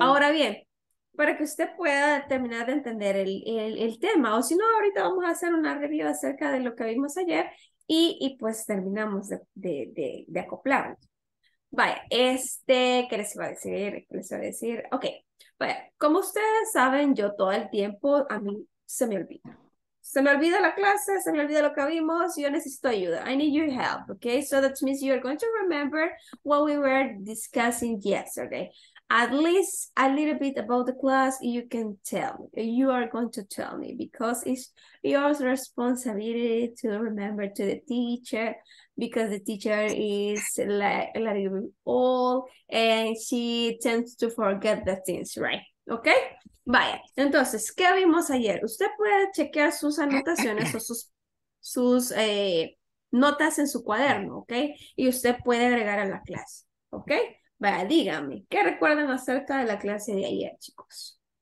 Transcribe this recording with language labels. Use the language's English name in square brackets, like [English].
[Spanish] Ahora bien, para que usted pueda terminar de entender el tema, o si no, ahorita vamos a hacer una review acerca de lo que vimos ayer y pues terminamos de acoplarnos. Vaya, ¿qué les iba a decir? ¿Qué les iba a decir? Ok, vaya, como ustedes saben, yo todo el tiempo, a mí se me olvida. Se me olvida la clase, se me olvida lo que vimos, yo necesito ayuda. [English] I need your help, ok? So that means you are going to remember what we were discussing yesterday. At least a little bit about the class, you can tell me. You are going to tell me because it's your responsibility to remember to the teacher. Because the teacher is like old and she tends to forget the things, right? [Spanish] Okay? Vaya. Entonces, ¿qué vimos ayer? Usted puede chequear sus anotaciones o sus notas en su cuaderno, okay? Y usted puede agregar a la clase, okay? Vaya, dígame, ¿qué recuerdan acerca de la clase de ayer, chicos?